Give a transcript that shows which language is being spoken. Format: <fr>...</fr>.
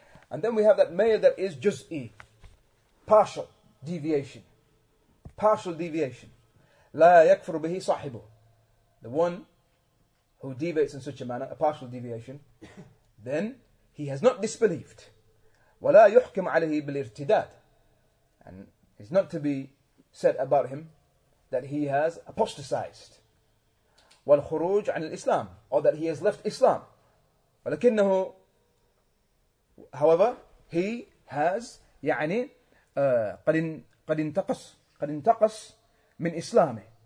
<en>And then we have that mail that is juz'i, partial deviation.</en> <ar>لا يكفر به صاحبه.</ar> <en>The one who deviates in such a manner, a partial deviation, then he has not disbelieved.</en> <ar>ولا يحكم عليه بالارتداد.</ar> <en>And it's not to be said about him that he has apostatized.</en> <ar>والخروج عن الإسلام,</ar> <en>or that he has left Islam.</en> <ar>ولكنه,</ar> <en>however, he has</en> <ar>يعني قد انتقص من إسلامه.</ar>